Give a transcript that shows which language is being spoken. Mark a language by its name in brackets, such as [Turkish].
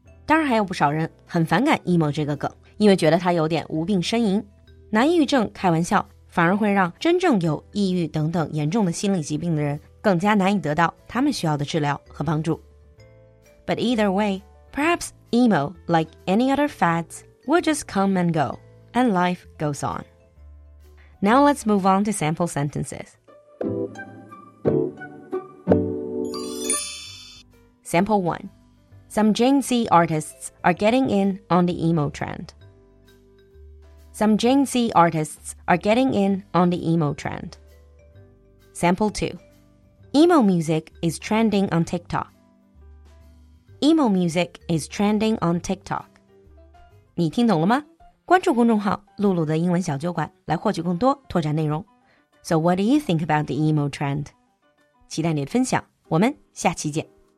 [Chinese] 当然还有不少人很反感 emo 这个梗，因为觉得它有点无病呻吟。拿抑郁症开玩笑，反而会让真正有抑郁等等严重的心理疾病的人更加难以得到他们需要的治疗和帮助。 [English] But either way,Perhaps emo, like any other fads, will just come and go, and life goes on. Now let's move on to sample sentences. Sample 1. Some Gen Z artists are getting in on the emo trend. Some Gen Z artists are getting in on the emo trend. Sample 2. Emo music is trending on TikTok. Emo music is trending on TikTok. [Chinese] 你听懂了吗？关注公众号露露的英文小酒馆来获取更多拓展内容。 [English] So what do you think about the emo trend? [Chinese] 期待你的分享，我们下期见。